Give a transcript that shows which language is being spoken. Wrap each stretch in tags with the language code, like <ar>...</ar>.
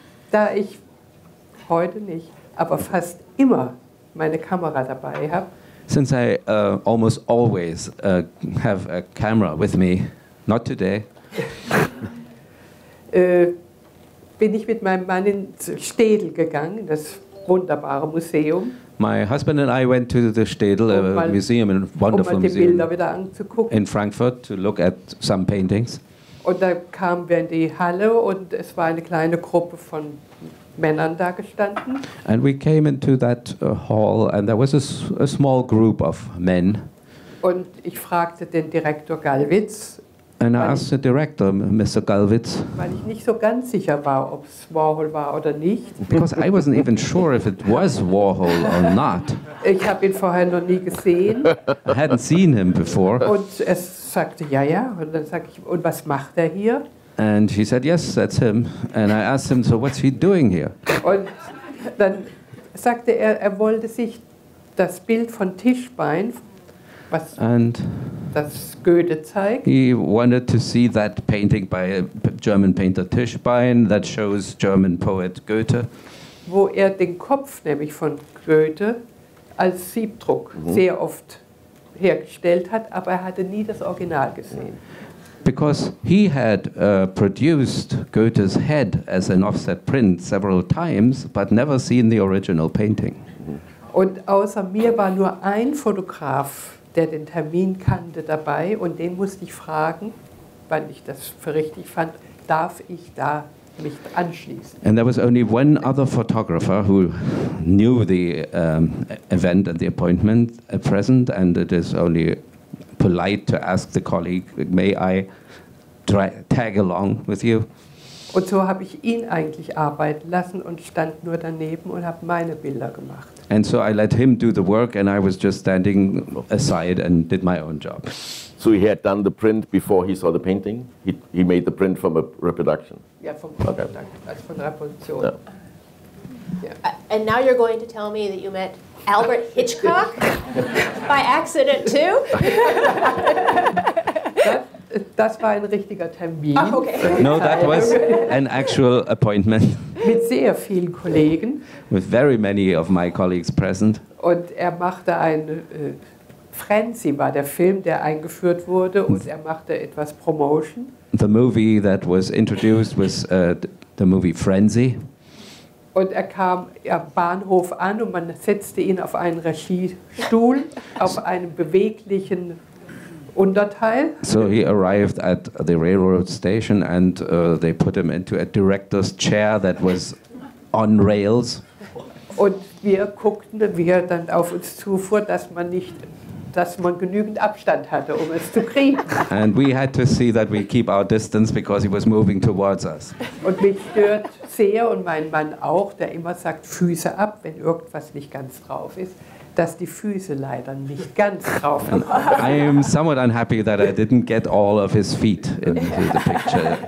<de>Da ich heute nicht, aber fast immer meine Kamera dabei habe.</de> <en>Since I almost always have a camera with me, not today.</en> <de>bin ich mit meinem Mann in Städel gegangen, das wunderbare Museum.</de> <en>My husband and I went to the Städel, museum, a wonderful museum in Frankfurt, to look at some paintings.</en> <de>Und da kamen wir in die Halle und es war eine kleine Gruppe von Männern da gestanden.</de> <en>And we came into that hall and there was a small group of men.</en> <de>Und ich fragte den Direktor Gallwitz.</de> <en>And I asked the director, Mr. Gallwitz.</en> <de>Weil ich nicht so ganz sicher war, ob es Warhol war oder nicht.</de> <en>Because I wasn't even sure if it was Warhol or not.</en> <de>Ich habe ihn vorher noch nie gesehen.</de> <en>I hadn't seen him before.</en> <de>Und er sagte, ja, ja. Und dann sag ich, und was macht er hier?</de> <en>And he said, yes, that's him. And I asked him, so what's he doing here?</en> <de>Und dann sagte er, er wollte sich das Bild von Tischbein, was</de> <en>and</en> <de>das Goethe zeigt.</de> <en>He wanted to see that painting by a German painter Tischbein that shows German poet Goethe.</en> <de>Wo er den Kopf nämlich von Goethe als Siebdruck mm-hmm. sehr oft hergestellt hat, aber er hatte nie das Original gesehen.</de> <en>because he had produced Goethe's head as an offset print several times, but never seen the original painting.</en> <de>Und außer mir war nur ein Fotograf, der den Termin kannte, dabei, und den musste ich fragen, wann ich das für richtig fand, darf ich da mich anschließen?</de> <en>And there was only one other photographer who knew the event and the appointment present, and it is only polite to ask the colleague, may I tag along with you?</en> <de>Und so habe ich ihn eigentlich arbeiten lassen und stand nur daneben und habe meine Bilder gemacht.</de> <en>And so I let him do the work and I was just standing aside and did my own job. So he had done the print before he saw the painting? He made the print from a reproduction? Yeah, from a reproduction. Okay. Reproduction. Yeah. Yeah. And now you're going to tell me that you met Albert Hitchcock by accident too?</en> <de>Das war ein richtiger Termin. Oh,</de> <en>okay. No, that was an actual appointment.</en> <de>Mit sehr vielen Kollegen.</de> <en>With very many of my colleagues present.</en> <de>Und er machte ein Frenzy, war der Film, der eingeführt wurde, und er machte etwas Promotion.</de> <en>The movie that was introduced was the movie Frenzy.</en> <de>Und er kam am Bahnhof an und man setzte ihn auf einen Regiestuhl, auf einen beweglichen Unterteil.</de> <en>So he arrived at the railroad station and they put him into a director's chair that was on rails.</en> <de>Und wir guckten, wie er dann auf uns zufuhr, dass man genügend Abstand hatte, um es zu kriegen.</de> <en>And we had to see that we keep our distance because he was moving towards us.</en> <de>Und mich stört sehr, und mein Mann auch, der immer sagt, Füße ab, wenn irgendwas nicht ganz drauf ist, dass die Füße leider nicht ganz drauf sind.</de> <en>I am somewhat unhappy that I didn't get all of his feet into the picture.</en>